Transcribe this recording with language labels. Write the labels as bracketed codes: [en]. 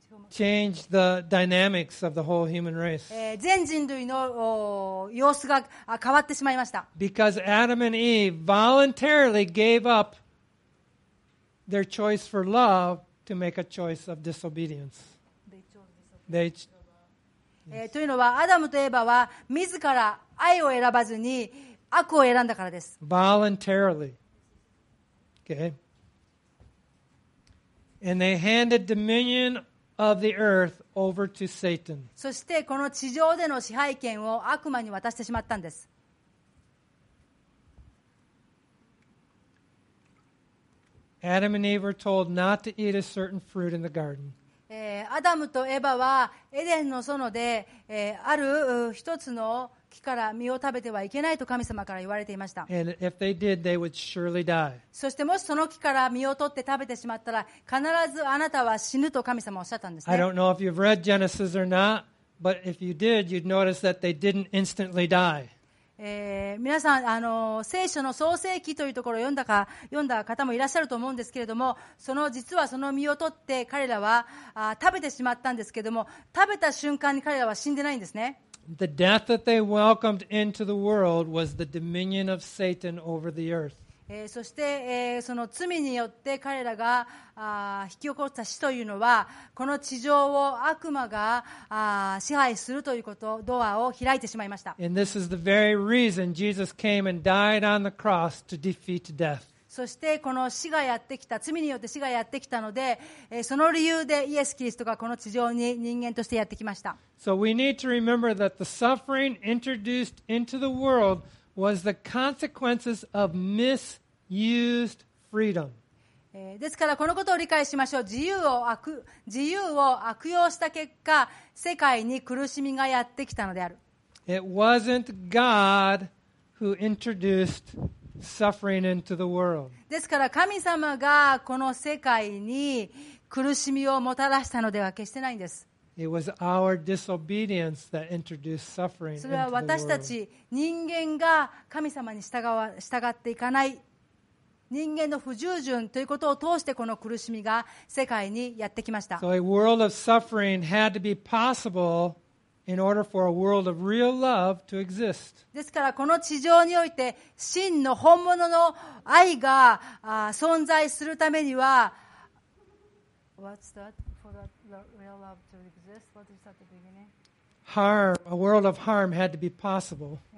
[en] change the dynamics of the whole human race. [ja] 全人類の様子が変わってしまいました。 [en] Because Adam and Eve voluntarily gave up their choice for love to make a choice of disobedience. [ja] というのはアダムとエヴァは自ら愛を選ばずに悪を選んだからです。 [en] Voluntarily. Okay. And they handed dominion of the earth over to Satan. [ja] そしてこの地上での支配権を悪魔に渡してしまったんです。 [en] Adam and Eve were told not to eat a certain fruit in the garden. [ja] アダムとエヴァはエデンの園で、ある一つの木から実を食べてはいけないと神様から言われていました。 [en] And if they did, they would surely die. [ja] そしてもしその木から実を取って食べてしまったら必ずあなたは死ぬと神様はおっしゃったんですね。 [en] I don't know if you've read Genesis or not, but if you did, you'd notice that they didn't instantly die. [ja] 皆さん聖書の創世記というところを読んだ方もいらっしゃると思うんですけれども、その実はその実を取って彼らは食べてしまったんですけれども、食べた瞬間に彼らは死んでないんですね。 [en] The death that they welcomed into the world was the dominion of Satan over the earth. [ja] そして、その罪によって彼らが引き起こした死というのは、この地上を悪魔が支配するということ、ドアを開いてしまいました。 [en] And this is the very reason Jesus came and died on the cross to defeat death. [ja] そしてこの死がやってきた、罪によって死がやってきたので、その理由でイエス・キリストがこの地上に人間としてやってきました。 [en] So we need to remember that the suffering introduced into the world was the consequences of misused freedom. [ja] ですからこのことを理解しましょう。自由を悪用した結果、世界に苦しみがやってきたのである。 [en] It wasn't God who introduced suffering into the world. [ja] ですから神様がこの世界に苦しみをもたらしたのでは決してないんです。 [en] It was our disobedience that introduced suffering into the world. [ja] それは私たち人間が神様に従っていかない人間の不従順ということを通してこの苦しみが世界にやってきました。 [en] So a world of suffering had to be possible in order for a world of real love to exist. [ja] ですからこの地上において真の本物の愛が存在するためには [en] What's that? For that real love to exist? What is that at the beginning? Harm, a world of harm had to be possible.